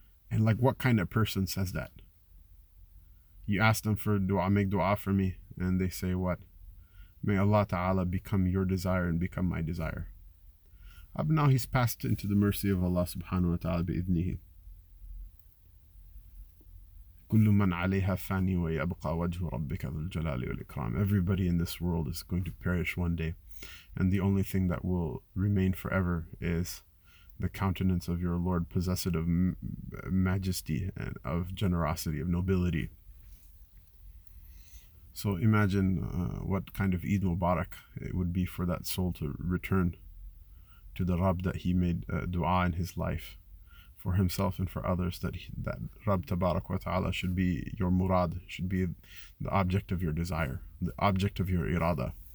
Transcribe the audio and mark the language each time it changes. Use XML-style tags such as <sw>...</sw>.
<en>And, like, what kind of person says that? You ask them for dua, make dua for me, and they say what? May Allah ta'ala become your desire and become my desire. But now he's passed into the mercy of Allah subhanahu wa ta'ala bi-idhnihi.</en> <ar>كل من عليها فاني ويبقى وجه ربك ذو الجلال والإكرام.</ar> <en>Everybody in this world is going to perish one day, and the only thing that will remain forever is the countenance of your Lord, possessed of majesty and of generosity, of nobility. So imagine what kind of Eid Mubarak it would be for that soul to return to the Rabb that he made dua in his life for himself and for others, that Rabb Tabarak wa Ta'ala should be your murad, should be the object of your desire, the object of your irada.</en>